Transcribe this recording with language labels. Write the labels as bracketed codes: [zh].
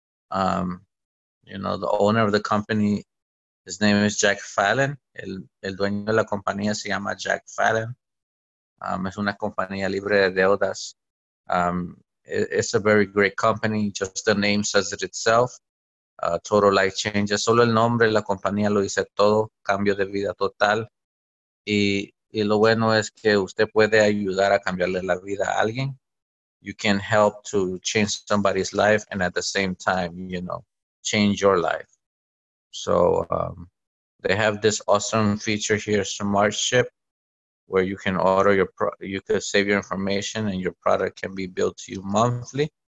[en] You know, the owner of the company, his name is Jack Fallon. [es] El dueño de la compañía se llama Jack Fallon. Es una compañía libre de deudas. [en] It's a very great company. Just the name says it itself. Total life changes. [es] Solo el nombre de la compañía lo dice todo. Cambio de vida total. Y lo bueno es que usted puede ayudar a cambiarle la vida a alguien. [en] You can help to change somebody's life and at the same time, you know, change your life. So they have this awesome feature here, Smart Ship, where you can order your you could save your information and your product can be billed to you monthly.